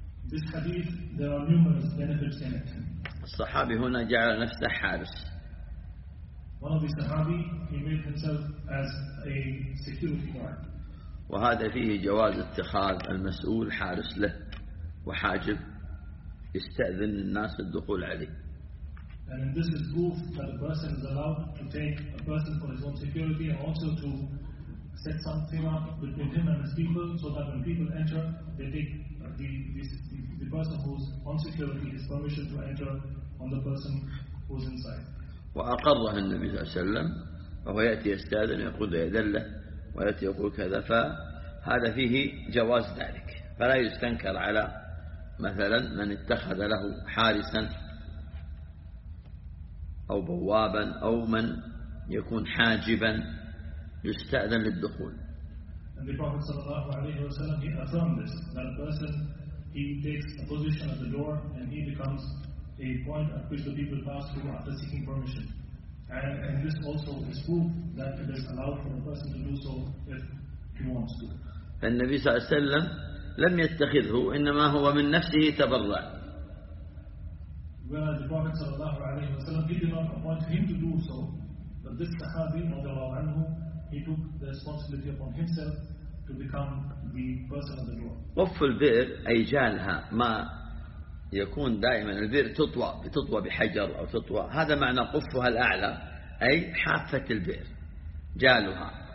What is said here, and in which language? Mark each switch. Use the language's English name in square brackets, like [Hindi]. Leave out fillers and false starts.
[English] This hadith, there are numerous benefits in it. [Arabic] الصحابي هنا جعل نفسه حارس. [English] One of the Sahabi, he made himself as a security guard. [Arabic] وهذا فيه جواز اتخاذ المسؤول حارس له وحاجب يستأذن الناس الدخول عليه. [English] And this is proof that a person is allowed to take a person for his own security and also to set something up between him and his people so that when people enter, they take the person who's on security his permission to enter on the person who's inside. [Arabic] وأقره النبي صلى الله عليه وسلم وهو يأتي يستأذن يقول يأذن له ويأتي يقول كذا. فهذا فيه جواز ذلك فلا يستنكر على مثلا من اتخذ له حارسا أو بوابا أو من يكون حاجبا يستأذن للدخول. [English] And the Prophet [Arabic] صلى الله عليه وسلم [English] he affirmed this that a person he takes a position at the door and he becomes a point at which the people pass through after seeking permission. And this also is proof that it is allowed for a person to do so if he wants to. [Arabic] النبي صلى الله عليه وسلم لم يتخذه إنما هو من نفسه تبرع. [English] When the Prophet [Arabic] صلى الله عليه وسلم [English] he did not appoint him to do so, but this Sahabi [Arabic] رضي الله عنه [English] he took the responsibility upon himself to become the person of the door. [Arabic] وقف البئر أي جالها ما يكون دائما البئر تطوى بحجر أو تطوى هذا معنى قفها الأعلى أي حافة البئر جالها